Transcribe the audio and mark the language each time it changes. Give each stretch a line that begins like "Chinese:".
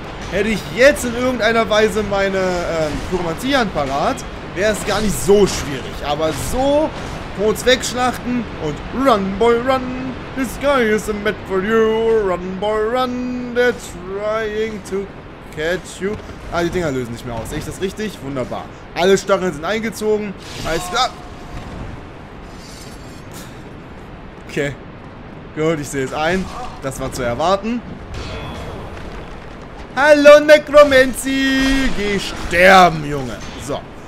German: Hätte ich jetzt in irgendeiner Weise meine Pyromantie an parat, wäre es gar nicht so schwierig. Aber so, kurz wegschlachten und
English: run, boy, run. The sky is a mat for you. Run, boy, run. They're trying to catch you.
German: Ah, die Dinger lösen nicht mehr aus. Sehe ich das richtig? Wunderbar. Alle Stacheln sind eingezogen. Alles klar. Okay. Gut, ich sehe es ein. Das war zu erwarten. Hallo, Necromancy! Geh sterben, Junge. So.